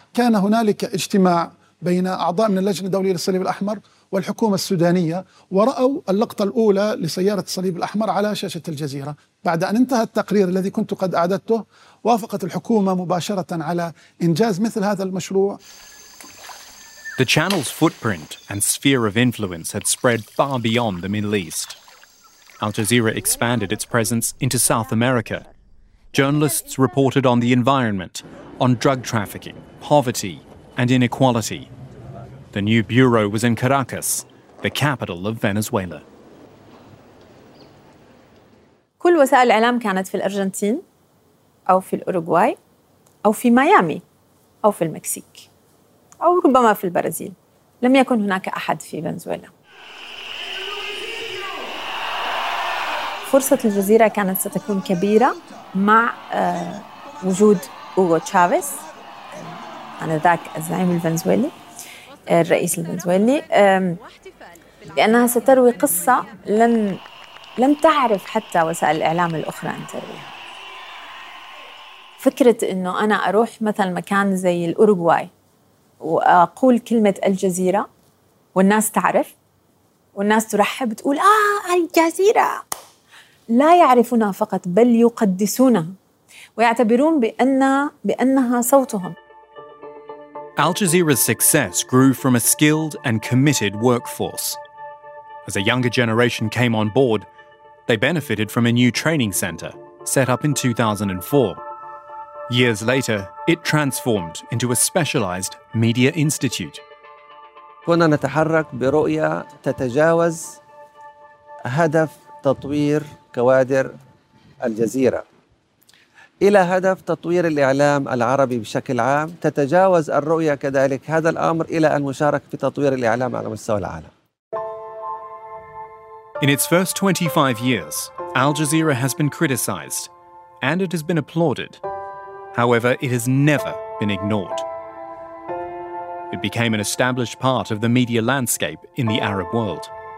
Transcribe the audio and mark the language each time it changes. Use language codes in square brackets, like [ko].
[ar] كان هنالك اجتماع بين أعضاء من اللجنة الدولية للصليب الأحمر والحكومة السودانية ورأوا اللقطة الأولى لسيارة الصليب الأحمر على شاشة الجزيرة. بعد أن انتهى التقرير الذي كنت قد أعددته وافقت الحكومة مباشرة على إنجاز مثل هذا المشروع. [en] The channel's footprint and sphere of influence had spread far beyond the Middle East. Al Jazeera expanded its presence into South America. Journalists reported on the environment, on drug trafficking, poverty, and inequality. The new bureau was in Caracas, the capital of Venezuela. [ar] كل وسائل الإعلام كانت في الأرجنتين أو في الأوروغواي أو في ميامي أو في المكسيك أو ربما في البرازيل. لم يكن هناك أحد في فنزويلا. فرصة الجزيرة كانت ستكون كبيرة مع وجود هوغو تشافيز آنذاك الزعيم الفنزويلي الرئيس الفنزويلي لأنها ستروي قصة لم تعرف حتى وسائل الإعلام الأخرى أن ترويها. فكرة أنه أنا أروح مثلا مكان زي الأوروغواي وأقول كلمة الجزيرة والناس تعرف والناس ترحب تقول الجزيرة، لا يعرفونها فقط بل يقدسونها ويعتبرون بأنها صوتهم. [en] Al Jazeera's success grew from a skilled and committed workforce. As a younger generation came on board, they benefited from a new training center set up in 2004. Years later, it transformed into a specialized media institute. [ar] كنا نتحرك برؤية تتجاوز هدف تطوير كوادر الجزيرة إلى هدف تطوير الإعلام العربي بشكل عام، تتجاوز الرؤية كذلك هذا الأمر إلى المشاركة في تطوير الإعلام على مستوى العالم. [en] In its first 25 years, Al Jazeera has been criticized and it has been applauded. However, it has never been ignored. It became an established part of the media landscape in the Arab world.